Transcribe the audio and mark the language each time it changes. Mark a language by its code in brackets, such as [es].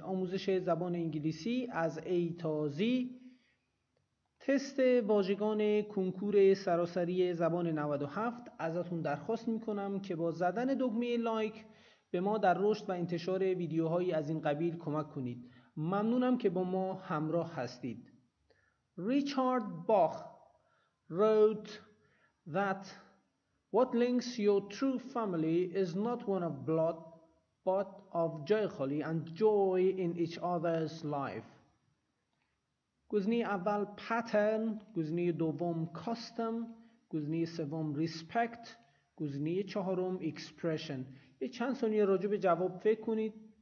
[fa] آموزش زبان انگلیسی از A تا Z، تست واژگان کنکور سراسری زبان 97، ازتون درخواست میکنم که با زدن دکمه لایک به ما در رشد و انتشار ویدیوهایی از این قبیل کمک کنید. ممنونم که با ما همراه هستید. [en] Richard Bach wrote that what links your true family is not one of blood but of joyfully and joy in each other's life. [fa] گزینه اول pattern، گزینه دوم custom، گزینه سوم respect، گزینه چهارم expression. یه چند ثانیه راجع به جواب فکر کنید.